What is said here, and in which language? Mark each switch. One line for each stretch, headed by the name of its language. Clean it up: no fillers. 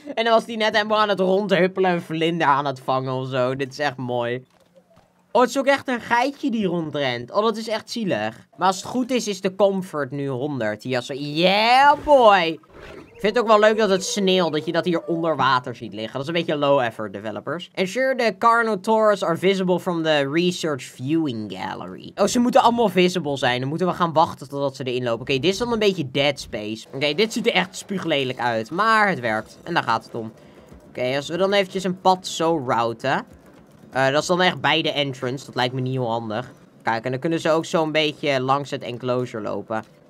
Dutch: En dan was hij net helemaal aan het rondhuppelen en vlinder aan het vangen of zo. Dit is echt mooi. Oh, het is ook echt een geitje die rondrent. Oh, dat is echt zielig. Maar als het goed is, is de comfort nu 100. Ja, zo.
English: Yeah, boy.
Dutch: Ik vind het ook wel leuk dat het sneeuwt, dat je dat hier onder water ziet liggen. Dat is een beetje low effort, developers.
English: Ensure the Carnotaurus are visible from the research viewing gallery.
Dutch: Oh, ze moeten allemaal visible zijn. Dan moeten we gaan wachten totdat ze erin lopen. Oké, dit is dan een beetje dead space. Oké, dit ziet er echt spuuglelijk uit. Maar het werkt. En daar gaat het om. Oké, als we dan eventjes een pad zo routen. Dat is dan echt bij de entrance. Dat lijkt me niet heel handig. Kijk, en dan kunnen ze ook zo'n beetje langs het enclosure lopen.